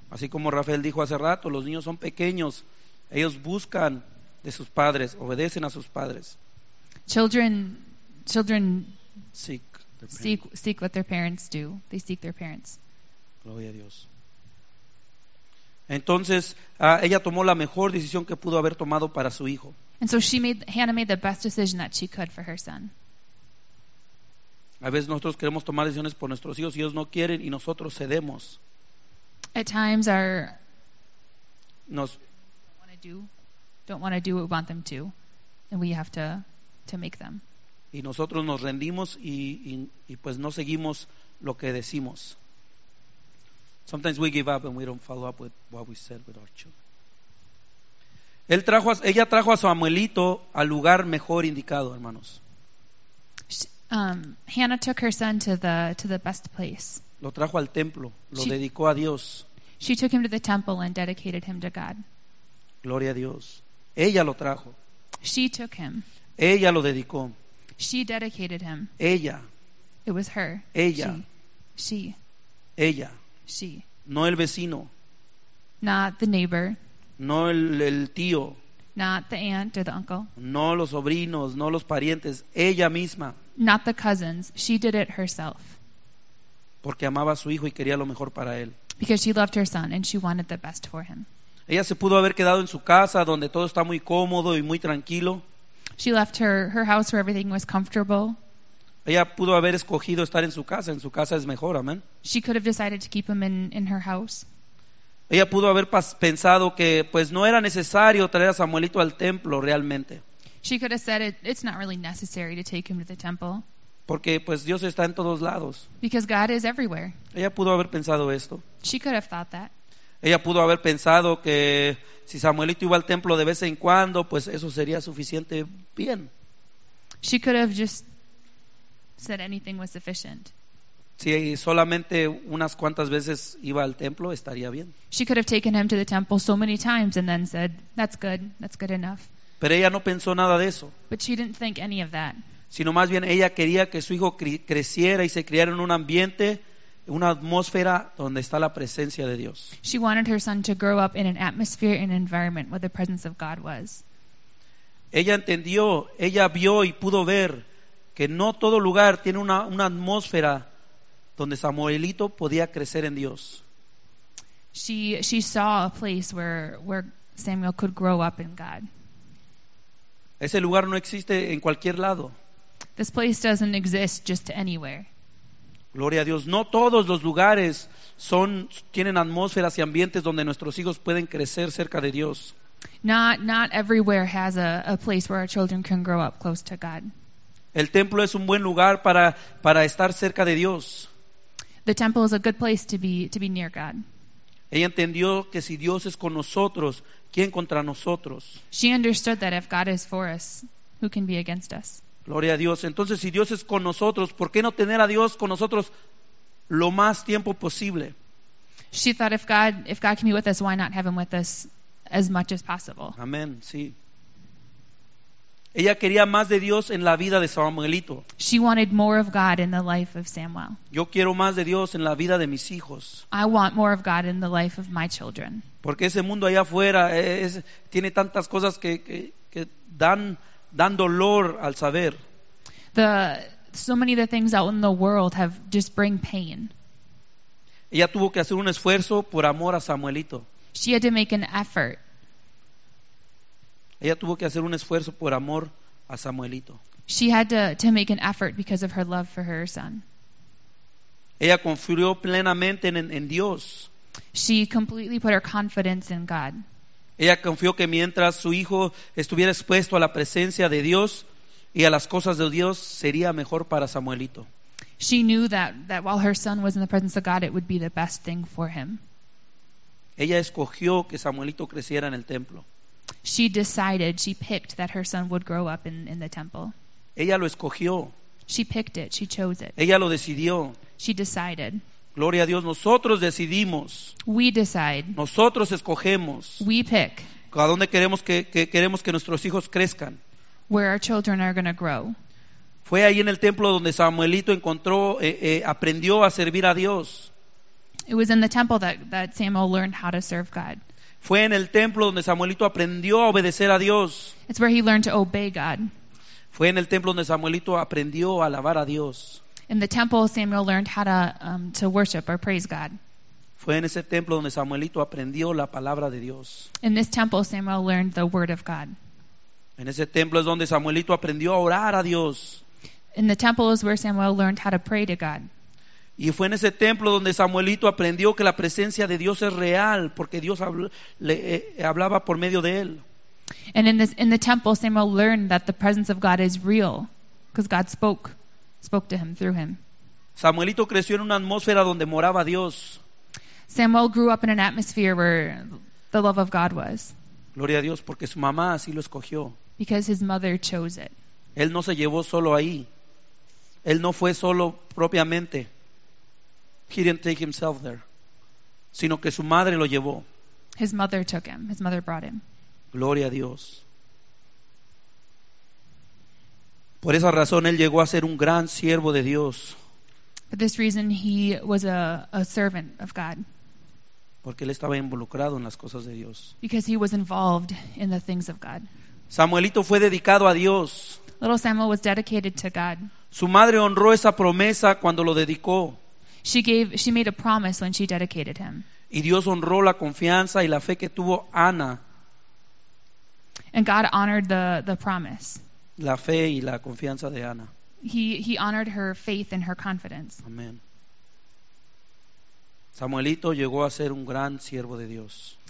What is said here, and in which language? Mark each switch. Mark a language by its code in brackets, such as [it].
[es] Así como Rafael dijo hace rato, los niños son pequeños. Ellos buscan de sus padres, obedecen a sus padres. [en] Children seek what their parents do. They seek their parents. [es] Gloria a Dios. Entonces, ella tomó la mejor decisión que pudo haber tomado para su hijo. [en] And so Hannah made the best decision that she could for her son. [es] A veces nosotros queremos tomar decisiones por nuestros hijos y ellos no quieren y nosotros cedemos. [en] At times our [es] nos [en] don't want to do what we want them to, and we have to make them. [es] Y nosotros nos rendimos y pues no seguimos lo que decimos. [en] Sometimes we give up and we don't follow up with what we said with our children. [es] Ella trajo a Samuelito al lugar mejor indicado, hermanos. [en] Hannah took her son to the best place. [es] Lo trajo al templo, lo dedicó a Dios. [en] She took him to the temple and dedicated him to God. [es] Gloria a Dios. Ella lo trajo. [en] She took him. [es] Ella lo dedicó. [en] She dedicated him. [es] Ella. [en] It was her. [es] Ella. [en] She. [es] Ella. [en] She. [es] No el vecino. [en] Not the neighbor. [es] No el tío. [en] Not the aunt or the uncle. [es] No los sobrinos, no los parientes, ella misma. [en] Not the cousins. She did it herself. [es] Porque amaba a su hijo y quería lo mejor para él. [en] Because she loved her son and she wanted the best for him. [es] Ella se pudo haber quedado en su casa donde todo está muy cómodo y muy tranquilo. [en] She left her house where everything was comfortable. [es] Ella pudo haber escogido estar en su casa. En su casa es mejor, amén. [en] She could have decided to keep him in her house. [es] Ella pudo haber pensado que pues no era necesario traer a Samuelito al templo realmente. [en] She could have said it's not really necessary to take him to the temple. [es] Porque pues Dios está en todos lados. [en] Because God is everywhere. [es] Ella pudo haber pensado esto. [en] She could have thought that. [es] Ella pudo haber pensado que si Samuelito iba al templo de vez en cuando, pues eso sería suficiente bien. [en] She could have just said anything was sufficient. [es] Si solamente unas cuantas veces iba al templo, estaría bien. [en] She could have taken him to the temple so many times and then said, that's good, that's good enough. [es] Pero ella no pensó nada de eso. [en] But she didn't think any of that. [es] Sino más bien ella quería que su hijo creciera y se criara en un ambiente, una atmósfera donde está la presencia de Dios. [en] She wanted her son to grow up in an atmosphere, in an environment where the presence of God was. [es] Ella entendió, ella vio y pudo ver que no todo lugar tiene una atmósfera donde Samuelito podía crecer en Dios. [en] She saw a place where Samuel could grow up in God. [es] Ese lugar no existe en cualquier lado. [en] This place doesn't exist just anywhere. [es] Gloria a Dios. No todos los lugares tienen atmósferas y ambientes donde nuestros hijos pueden crecer cerca de Dios. [en] Not everywhere has a place where our children can grow up close to God. [es] El templo es un buen lugar para estar cerca de Dios. [en] The temple is a good place to be near God. [es] Ella entendió que si Dios es con nosotros, ¿quién contra nosotros? [en] She understood that if God is for us, who can be against us? [es] Gloria a Dios. Entonces, si Dios es con nosotros, ¿por qué no tener a Dios con nosotros lo más tiempo posible? [en] She thought if God can be with us, why not have him with us as much as possible? [es] Amén, sí. Ella quería más de Dios en la vida de Samuelito. [en] She wanted more of God in the life of Samuel. [es] Yo quiero más de Dios en la vida de mis hijos. [en] I want more of God in the life of my children. [es] Porque ese mundo allá afuera es, tiene tantas cosas que dan dolor al saber. [en] So many of the things out in the world have just bring pain. [es] Ella tuvo que hacer un esfuerzo por amor a Samuelito. [en] She had to make an effort. [es] Ella tuvo que hacer un esfuerzo por amor a Samuelito. [en] She had to make an effort because of her love for her son. [es] Ella confió plenamente en Dios. [en] She completely put her confidence in God. [es] Ella confió que mientras su hijo estuviera expuesto a la presencia de Dios y a las cosas de Dios, sería mejor para Samuelito. [en] She knew that while her son was in the presence of God, it would be the best thing for him. [es] Ella escogió que Samuelito creciera en el templo. [en] She decided, she picked that her son would grow up in the temple. [es] Ella lo escogió. [en] She picked it, she chose it. [es] Ella lo decidió. [en] She decided. [es] Gloria a Dios, nosotros decidimos. [en] We decide. [es] Nosotros escogemos. [en] We pick. [es] ¿A dónde queremos que nuestros hijos crezcan? [en] Where our children are going to grow. [es] Fue ahí en el templo donde Samuelito encontró, aprendió a servir a Dios. [en] It was in the temple that Samuel learned how to serve God. [es] Fue en el templo donde Samuelito aprendió a obedecer a Dios. [en] It's where he learned to obey God. [es] Fue en el templo donde Samuelito aprendió a alabar a Dios. [en] In the temple, Samuel learned how to worship or praise God. [es] Fue en ese templo donde Samuelito aprendió la palabra de Dios. [en] In this temple, Samuel learned the word of God. [es] En ese templo es donde Samuelito aprendió a orar a Dios. [en] In the temple is where Samuel learned how to pray to God. [es] Y fue en ese templo donde Samuelito aprendió que la presencia de Dios es real, porque Dios hablaba por medio de él. [en] And in the temple, Samuel learned that the presence of God is real, because God spoke to him through him. [es] Samuelito creció en una atmósfera donde moraba Dios. [en] Samuel grew up in an atmosphere where the love of God was. [es] Gloria a Dios, porque su mamá así lo escogió. [en] Because his mother chose it. [es] Él no se llevó solo ahí. Él no fue solo propiamente. [en] He didn't take himself there. [es] Sino que su madre lo llevó. [en] His mother took him. His mother brought him. [es] Gloria a Dios. Por esa razón, él llegó a ser un gran siervo de Dios. [en] For this reason, he was a servant of God. [es] Porque él estaba involucrado en las cosas de Dios. [en] Because he was involved in the things of God. [es] Samuelito fue dedicado a Dios. [en] Little Samuel was dedicated to God. [es] Su madre honró esa promesa cuando lo dedicó. [en] She made a promise when she dedicated him. [es] Y Dios honró la confianza y la fe que tuvo Ana. [en] And God honored the promise. [es] La fe y la confianza de Ana. [en] He honored her faith and her confidence. [es] Amén. Samuelito llegó a ser un gran siervo de Dios.